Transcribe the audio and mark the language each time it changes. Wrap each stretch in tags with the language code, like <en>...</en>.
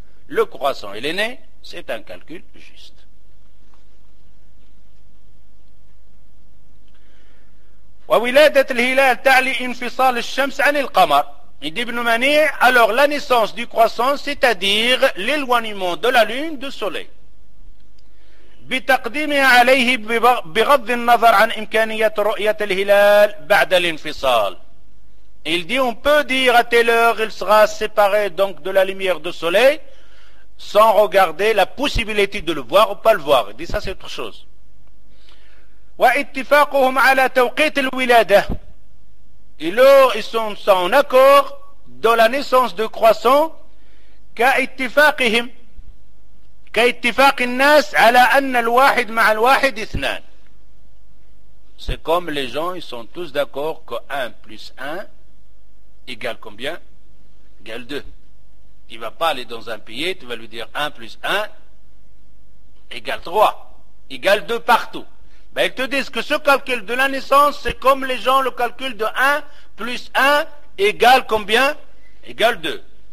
<fr>Le croissant, il est né, c'est un calcul juste.</fr> <ar>وَوِلَادَةَ الْهِلَالِ تَعْلِي إِنْفِصَالِ الشَّمْسِ عَنِ الْقَمَرِ</ar> <fr>Il dit, d'une manière, alors la naissance du croissant, c'est-à-dire l'éloignement de la lune du soleil.</fr> <ar>بتقديمها عليه بغض النظر عن إمكانية رؤية الهلال بعد الانفصال.</ar> <fr>Il dit on peut dire à telle heure il sera séparé donc de la lumière du soleil sans regarder la possibilité de le voir ou pas le voir. Il dit ça c'est autre chose.</fr> <ar>واتفاقهم على توقيت الولادة.</ar> <fr>Et là ils sont en accord dans la naissance du croissant</fr> <ar>كاتفاقهم. كاتفاق الناس على أن الواحد مع الواحد اثنان.</ar> <fr>C'est comme les gens, ils sont tous d'accord que 1 plus 1 égale combien? Égale 2. Il ne va pas aller dans un pays, tu vas lui dire 1 plus 1 égale 3. Égale 2 partout. Ben, ils te disent que ce calcul de la naissance, c'est comme les gens, le calcul de 1 plus 1 égale combien? Égale 2.</fr>